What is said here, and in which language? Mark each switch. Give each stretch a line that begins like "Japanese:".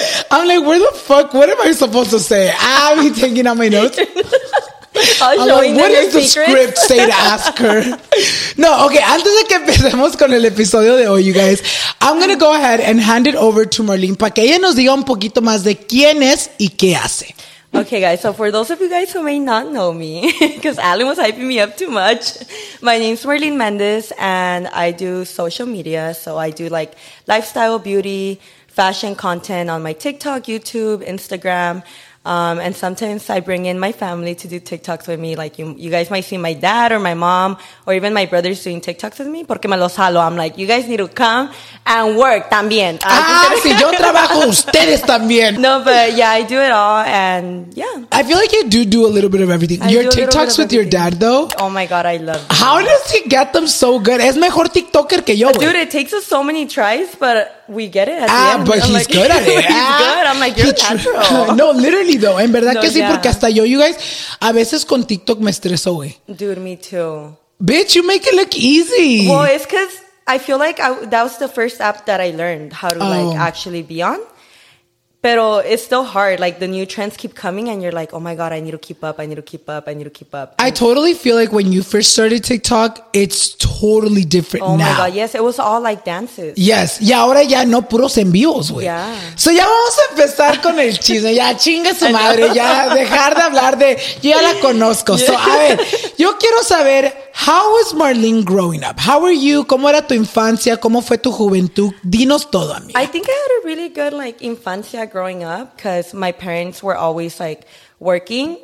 English: I'm like, where the fuck, what am I supposed to say? I'm taking out my notes. I'm like, what is secrets? The script say to ask her?
Spanish: No, okay, antes de que empecemos con el episodio de hoy,
English: you guys, I'm gonna go ahead and hand it over to Merlin
Spanish: para que ella nos diga un poquito más de quién es y qué hace.
English: Okay, guys, so for those of you guys who may not know me, because Alan was hyping me up too much, my name's Merlin Mendez, and I do social media, so I do, like, lifestyle, beauty, fashion content on my TikTok, YouTube, Instagram. And sometimes I bring in my family to do TikToks with me. Like, you guys might see my dad or my mom or even my brothers doing TikToks with me.
Spanish: Porque me los jalo.
English: I'm like, you guys need to come and work también.
Spanish: Si yo trabajo, ustedes también.
English: No, but yeah, I do it all. And yeah. I feel like you do a little bit of everything. Your TikToks with your dad, though. Oh my God, I love them. How does he get them so good?
Spanish: Es mejor TikToker que yo.
English: Dude, it takes us so many tries, but we get it. But I'm he's like, good at it. Good. I'm like, you're natural.
Spanish: No,
English: literally. Though.
Spanish: En verdad no, que sí, yeah. Porque hasta yo,
English: you guys,
Spanish: a veces con TikTok me estreso, güey.
English: Dude, me too. Bitch, you make it look easy. Well, it's because I feel like that was the first app that I learned how to, like, actually be on. Pero it's still hard. Like, the new trends keep coming and you're like, oh my God, I need to keep up. I need to keep up. I need to keep up. I totally feel like when you first started TikTok, it's totally different now. Oh my God, yes. It was all like dances. Yes.
Spanish: Y ahora ya no puros envíos, güey.
English: Yeah.
Spanish: So ya vamos a empezar con el chisme. Ya chinga su madre. Ya dejar de hablar de... Yo ya la conozco.
English: So,
Spanish: a ver, yo quiero saber,
English: how was Marlene growing up? How were you?
Spanish: ¿Cómo era tu infancia? ¿Cómo fue tu juventud? Dinos todo, amiga.
English: I think I had a really good, like, infancia growing up because my parents were always like working.